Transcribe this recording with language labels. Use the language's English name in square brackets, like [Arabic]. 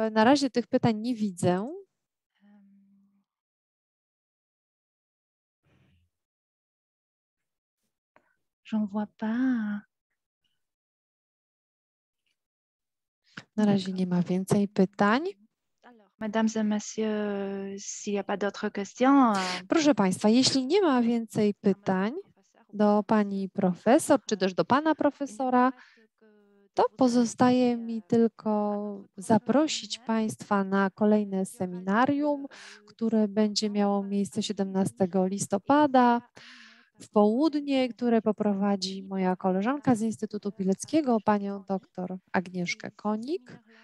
[Polish] Na razie tych pytań nie widzę. [French] J'en vois pas. [Polish] Na razie nie ma więcej pytań. [French] Mesdames et messieurs, s'il y a pas d'autres questions. [Polish] Proszę Państwa, jeśli nie ma więcej pytań do pani profesor, czy też do pana profesora, To pozostaje mi tylko zaprosić Państwa na kolejne seminarium, które będzie miało miejsce 17 listopada w południe, które poprowadzi moja koleżanka z Instytutu Pileckiego, panią dr Agnieszkę Konik.